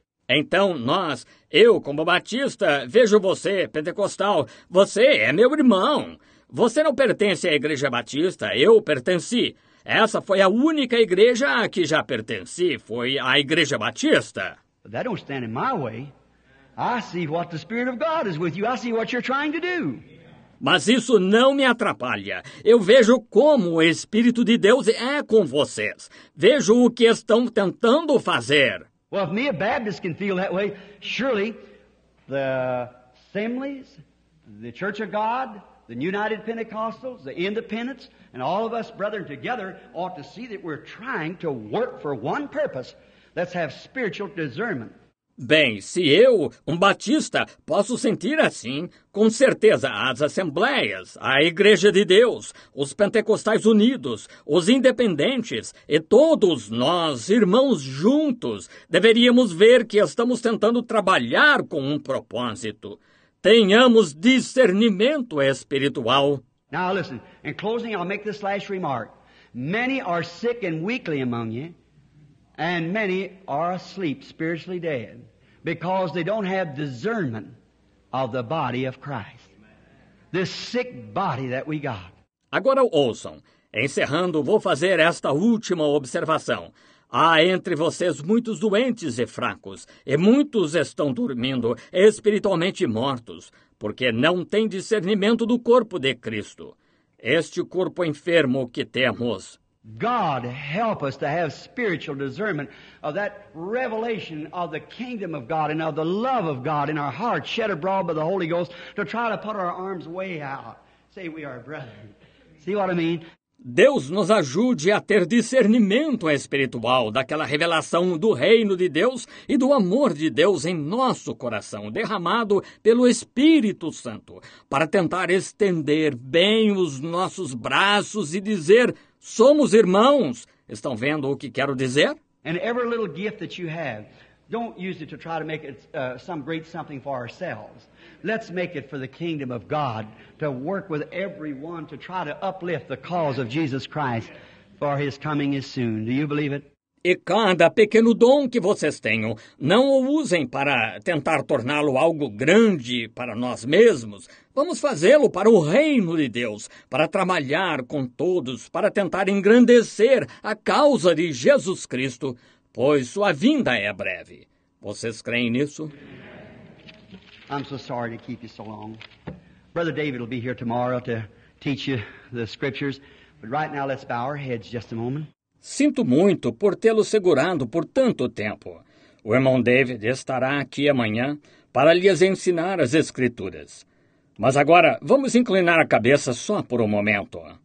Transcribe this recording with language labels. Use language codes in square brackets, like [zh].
[pt] Então, nós, eu como batista, vejo você, pentecostal, você é meu irmão. Você não pertence à igreja batista, eu pertenci. Essa foi a única igreja a que já pertenci, foi a igreja batista. [en] But that don't stand in my way. I see what the Spirit of God is with you, I see what you're trying to do. [pt] Mas isso não me atrapalha. Eu vejo como o Espírito de Deus é com vocês. Vejo o que estão tentando fazer. [en] Well, if me, a Baptist, can feel that way, surely the assemblies, the Church of God, the United Pentecostals, the Independents, and all of us, brethren, together, ought to see that we're trying to work for one purpose. Let's have spiritual discernment. [pt] Bem, se eu, um batista, posso sentir assim, com certeza as assembleias, a Igreja de Deus, os pentecostais unidos, os independentes e todos nós, irmãos juntos, deveríamos ver que estamos tentando trabalhar com um propósito. tenhamos discernimento espiritual. [en] Now listen, in closing I'll make this last remark. Many are sick and weakly among you, and many are asleep, spiritually dead, because they don't have discernment of the body of Christ. This sick body that we got. [pt] Agora ouçam. Encerrando, vou fazer esta última observação. Há entre vocês muitos doentes e fracos, e muitos estão dormindo, espiritualmente mortos, porque não têm discernimento do corpo de Cristo. Este corpo enfermo que temos. [en] God help us to have spiritual discernment of that revelation of the kingdom of God and of the love of God in our hearts shed abroad by the Holy Ghost to try to put our arms way out. Say we are brethren. See what I mean? [pt] Deus nos ajude a ter discernimento espiritual daquela revelação do reino de Deus e do amor de Deus em nosso coração, derramado pelo Espírito Santo, para tentar estender bem os nossos braços e dizer, somos irmãos. Estão vendo o que quero dizer? E cada pequeno gift que você tem, não use para tentar fazer algum grande algo para nós mesmos. [en] Let's make it for the kingdom of God to work with everyone to try to uplift the cause of Jesus Christ, for his coming is soon. Do you believe it? [pt] E cada pequeno dom que vocês tenham, não o usem para tentar torná-lo algo grande para nós mesmos. Vamos fazê-lo para o reino de Deus, para trabalhar com todos, para tentar engrandecer a causa de Jesus Cristo, pois sua vinda é breve. Vocês creem nisso? [en] I'm so sorry to keep you so long. Brother David will be here tomorrow to teach you the scriptures. But right now, let's bow our heads just a moment. [pt] Sinto muito por tê-lo segurado por tanto tempo. O irmão David estará aqui amanhã para lhes ensinar as escrituras. Mas agora, vamos inclinar a cabeça só por um momento.